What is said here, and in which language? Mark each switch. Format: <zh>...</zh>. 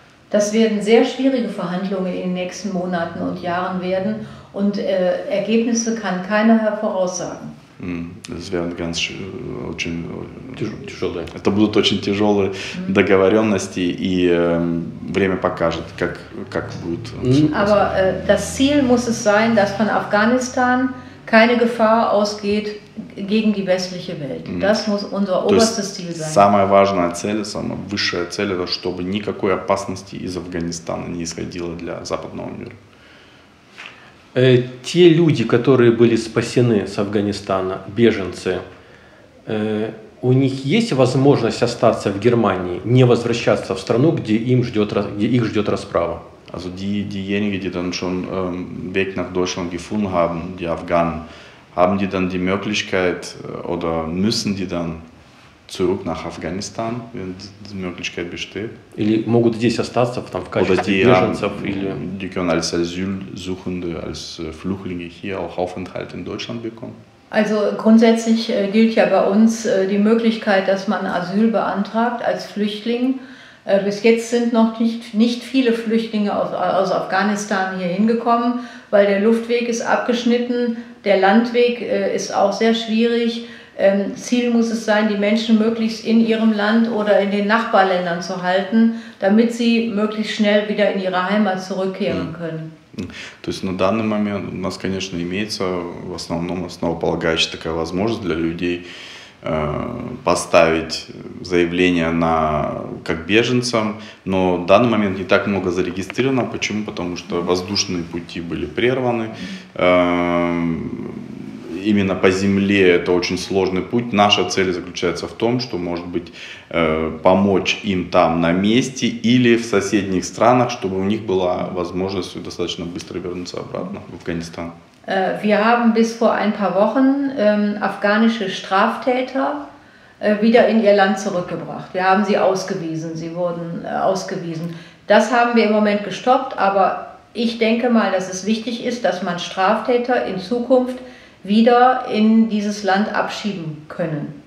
<de>Das werden sehr schwierige Verhandlungen in den nächsten Monaten und Jahren werden und Ergebnisse kann keiner voraussagen. Das wäre ganz</de> <ru>очень тяжёлые. Это будут очень тяжёлые договорённости и время покажет, как будет.</ru> <de>Aber das Ziel muss es sein, dass von Afghanistan keine Gefahr ausgeht gegen die westliche Welt. Das muss unser oberstes Ziel sein.</de> <ru>Самая важная цель, самая высшая цель это чтобы никакой опасности из Афганистана не исходило для западного мира. Те люди, которые были спасены с Афганистана, беженцы, у них есть возможность остаться в Германии, не возвращаться в страну, где их ждет расправа?</ru> <de>Also diejenigen, die dann schon Weg nach Deutschland gefunden haben, die Afghanen, haben die dann die Möglichkeit oder müssen die dann zurück nach Afghanistan, wenn die Möglichkeit besteht?</de> <ru>Или могут здесь остаться, там, в качестве</ru> <de>oder</de> <ru>беженцев? Или...</ru> <de>Die können als Asylsuchende, als Flüchtlinge hier auch Aufenthalt in Deutschland bekommen. Also grundsätzlich gilt ja bei uns die Möglichkeit, dass man Asyl beantragt als Flüchtling. Bis jetzt sind noch nicht viele Flüchtlinge aus Afghanistan hier hingekommen, weil der Luftweg ist abgeschnitten, der Landweg ist auch sehr schwierig. Ziel muss es sein, die Menschen möglichst in ihrem Land oder in den Nachbarländern zu halten, damit sie möglichst schnell wieder in ihre Heimat zurückkehren können.</de> <ru>То есть на данный момент у нас, конечно, имеется в основном основополагающая такая возможность для людей поставить заявление на как беженцам, но в данный момент не так много зарегистрировано. Почему? Потому что воздушные пути были прерваны. Именно по земле это очень сложный путь. Наша цель заключается в том, что, может быть, помочь им там на месте или в соседних странах, чтобы у них была возможность достаточно быстро вернуться обратно в Афганистан.</ru> <de>Wir haben bis vor ein paar Wochen afghanische Straftäter wieder in ihr Land zurückgebracht. Wir haben sie ausgewiesen, sie wurden ausgewiesen. Das haben wir im Moment gestoppt, aber ich denke mal, dass es wichtig ist, dass man Straftäter in Zukunft wieder in dieses Land abschieben können.</de>